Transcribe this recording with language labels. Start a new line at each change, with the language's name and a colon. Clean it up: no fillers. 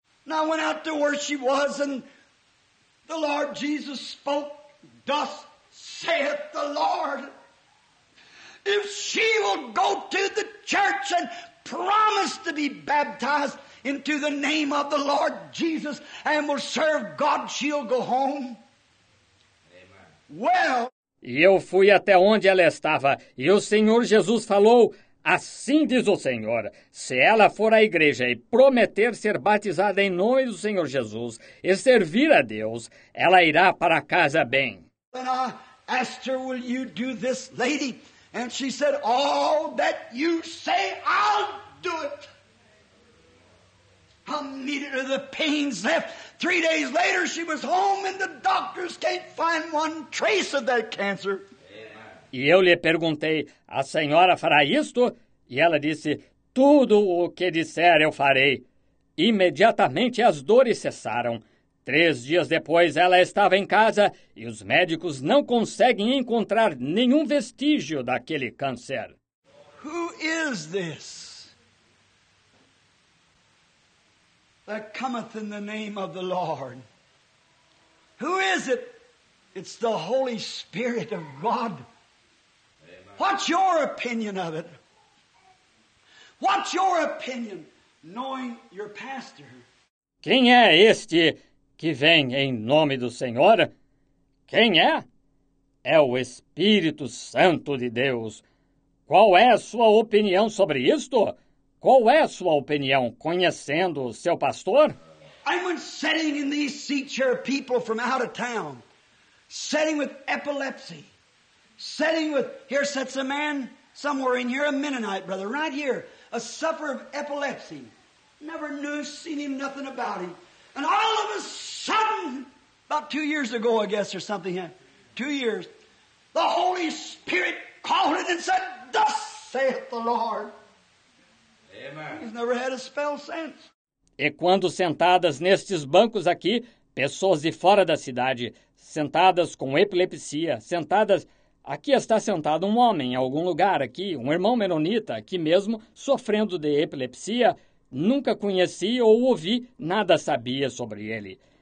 English: And I went out to where she was and the Lord Jesus spoke, thus saith the Lord. If she will go to the church and promise to be baptized into the name of the Lord Jesus and will serve God, she'll go home. Amen. Well.
Portuguese: E eu fui até onde ela estava, e o Senhor Jesus falou, assim diz o Senhor, se ela for à igreja e prometer ser batizada em nome do Senhor Jesus e servir a Deus, ela irá para casa bem.
English: And I asked her, will you do this, lady? And she said, all that you say, I'll do it. How many of the pains left? 3 days later, she was home and the doctors can't find one trace of that cancer.
Portuguese: E eu lhe perguntei, a senhora fará isto? E ela disse, tudo o que disser eu farei. Imediatamente as dores cessaram. 3 dias depois ela estava em casa e os médicos não conseguem encontrar nenhum vestígio daquele câncer.
English: Who is this that cometh in the name of the Lord? Who is it? It's the Holy Spirit of God. What's your opinion of it? What's your opinion, knowing your pastor?
Portuguese: Quem é este que vem em nome do Senhor? Quem é? É o Espírito Santo de Deus. Qual é a sua opinião sobre isto? Qual é a sua opinião, conhecendo o seu pastor?
English: I'm sitting in these seats here, people from out of town, sitting with epilepsy, sitting with, here sits a man somewhere in here, a Mennonite brother, right here, a sufferer of epilepsy. Never knew, seen him, nothing about him. And all of a sudden, about 2 years ago, I guess, or something, 2 years, the Holy Spirit called it and said, thus saith the Lord. Amen. He's never had a spell since.
Portuguese: E quando sentadas nestes bancos aqui, pessoas de fora da cidade, sentadas com epilepsia, sentadas... Aqui está sentado um homem em algum lugar aqui, um irmão menonita, aqui mesmo, sofrendo de epilepsia, nunca conheci ou ouvi, nada sabia sobre ele.